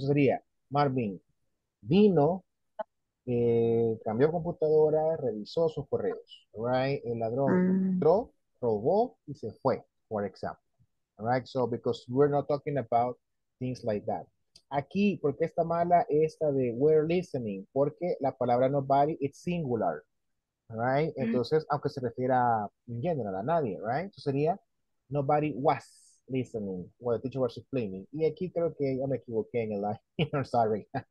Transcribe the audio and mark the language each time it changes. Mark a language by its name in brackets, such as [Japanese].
[Spanish] Entonces sería, Marvin vino, cambió computadora, revisó sus correos, right? El ladrón entró, robó y se fue. [English] For example, all right? So, because we're not talking about things like that. [Spanish] Aquí, ¿por qué está mala esta de [English] we're listening? [Spanish] Porque la palabra nobody, [English] it's singular, right? [Spanish] Entonces, aunque se refiera en general a nadie, right? Entonces sería, [English] nobody was listening while the teacher was explaining. [Spanish] Y aquí creo que yo me equivoqué en el line.